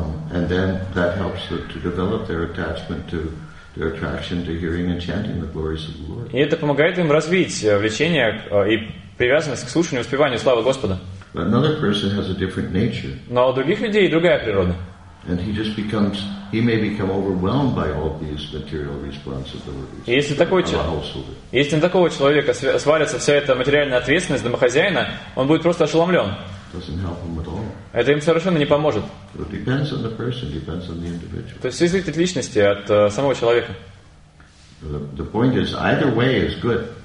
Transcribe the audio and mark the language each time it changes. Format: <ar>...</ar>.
<en>And then that helps them to develop their attachment to their attraction to hearing and chanting the glories of the Lord.</en> <ru>И это помогает им развить влечение и привязанность к слушанию и воспеванию славы Господа.</ru> <en>But another person has a different nature.</en> <ru>Но у других людей другая природа.</ru> <en>And he just becomes, he may become overwhelmed by all these material responsibilities.</en> <ru>Если такой человек, если на такого человека свалится вся эта материальная ответственность домохозяина, он будет просто ошеломлен.</ru> <en>Doesn't help him at all.</en> <ru>Это им совершенно не поможет.</ru> <en>So it depends on the person, depends on the individual.</en> <ru>То есть все зависит от личности, от самого человека.</ru> <en>The point is, either way is good.</en>